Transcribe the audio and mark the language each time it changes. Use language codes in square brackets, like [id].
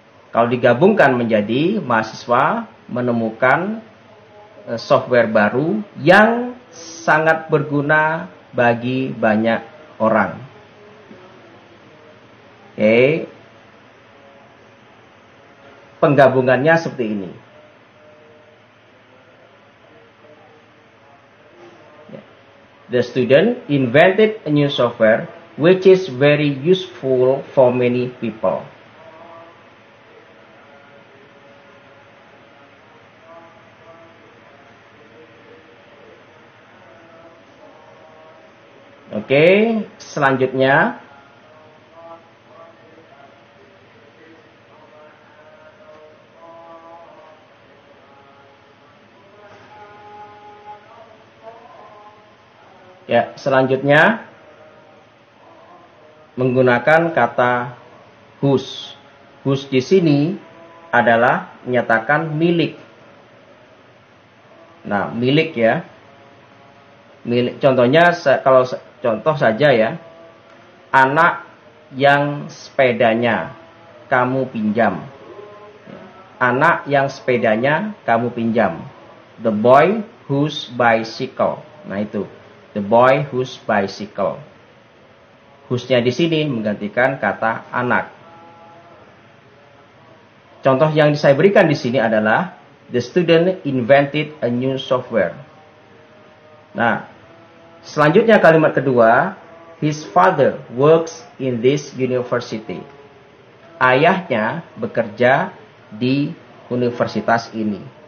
[id] Kalau digabungkan menjadi mahasiswa menemukan software baru yang sangat berguna bagi banyak orang. Oke. Okay. Penggabungannya seperti ini. [en] The student invented a new software which is very useful for many people. [id] Oke, selanjutnya. Ya, selanjutnya menggunakan kata whose. Whose di sini adalah menyatakan milik. Nah, milik ya. Milik, contohnya kalau contoh saja ya, anak yang sepedanya kamu pinjam. Anak yang sepedanya kamu pinjam. [en] The boy whose bicycle. Nah itu, the boy whose bicycle. [id] whose-nya di sini menggantikan kata anak. Contoh yang saya berikan di sini adalah [en] the student invented a new software. [id] Nah, selanjutnya kalimat kedua, [en] his father works in this university. [id] Ayahnya bekerja di universitas ini.